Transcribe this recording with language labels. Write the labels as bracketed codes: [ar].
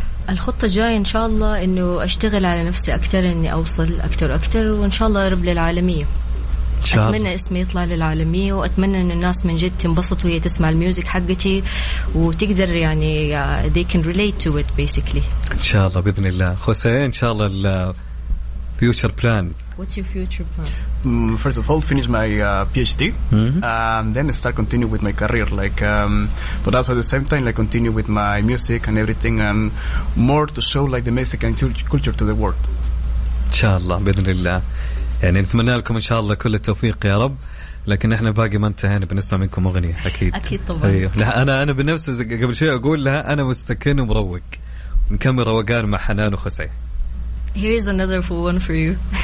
[ar] الخطة الجاية إن شاء الله إنه أشتغل على نفسي أكتر، إني أوصل أكتر وأكتر، وإن شاء الله رب للعالمية. أتمنى اسمي يطلع للعالمية، وأتمنى إن الناس من جد تنبسط وهي تسمع الميوزك حقتي، وتقدر يعني [en] they can relate to it basically. [ar] إن شاء الله بإذن الله. خوسيه إن شاء الله future plan. [en] What's your future plan? First of all, finish my PhD, and then start continue with my career. Like, but also at the same time, like continue with my music and everything, and more to show like the Mexican culture to the world. [ar] Inshallah, بإذن الله. يعني نتمنى لكم إن شاء الله كل التوفيق يا رب. لكن إحنا باقي ما انتهينا، بنسمع منكم أغنية أكيد. أكيد طبعا. أيوه. لا أنا بنفسي قبل شوي أقول لها أنا مستكين ومروق، نكمل روقان مع حنان وخسي. [en] Here is another one for you.